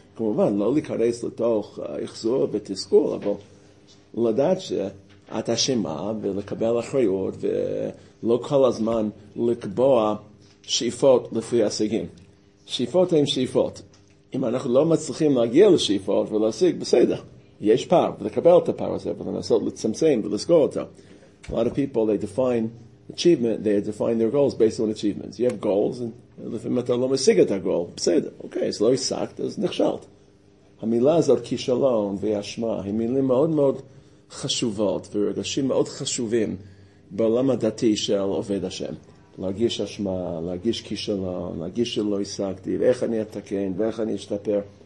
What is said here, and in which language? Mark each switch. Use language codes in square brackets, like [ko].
[he] כמובן, לא להיכנס לתוך יחזור ותסכול, אבל לדעת שאת אשמה, ולקבל אחריות, ולא כל הזמן לקבוע שאיפות לפי השגים. שאיפות הן שאיפות. אם אנחנו לא מצליחים להגיע לשאיפות ולהשיג, בסדר. יש פער, ולקבל את הפער הזה, ולנסות לצמצם ולסגור אותו. [en] A lot of people, they define achievement, they define their goals based on achievements. You have goals, and if you don't get the goal, בסדר, okay, so [he] לא הסקת, אז נכשלת. המילה הזאת, כישלון ואשמה, הם מילים מאוד מאוד חשובות, ורגשים מאוד חשובים בעולם הדתי של עובד השם. להרגיש אשמה, להרגיש כישלון, להרגיש שלא הסקתי, ואיך אני אתקן, ואיך אני אשתפר.